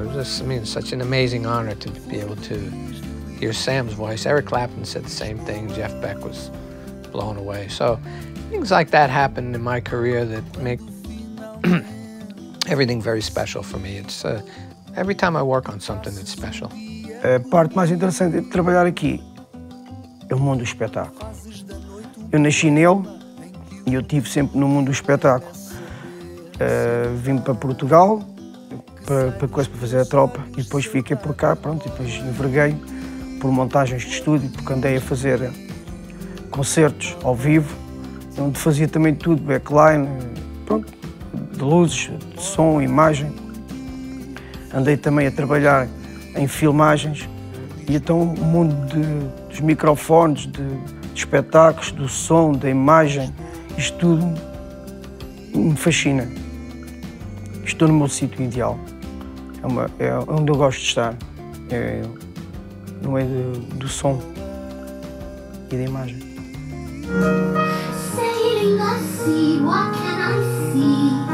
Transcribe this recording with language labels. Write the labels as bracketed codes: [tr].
[en] It was just, I mean, such an amazing honor to be able to hear Sam's voice. Eric Clapton said the same thing, Jeff Beck was blown away. So things like that happened in my career that make everything very special for me. It's every time I work on something, it's special. [pt] Parte mais interessante de trabalhar aqui é o mundo do espetáculo. Eu nasci nele e eu estive sempre no mundo do espetáculo. Vim para Portugal para fazer a tropa e depois fiquei por cá, pronto, e depois enverguei por montagens de estúdio, porque andei a fazer concertos ao vivo, onde fazia também tudo, backline, pronto, de luzes, de som, imagem. Andei também a trabalhar em filmagens e então o mundo dos microfones, de espetáculos, do som, da imagem, isto tudo me fascina. Estou no meu sítio ideal. É onde eu gosto de estar. É no meio do som e da imagem. [en] Sailing the sea, what can I see?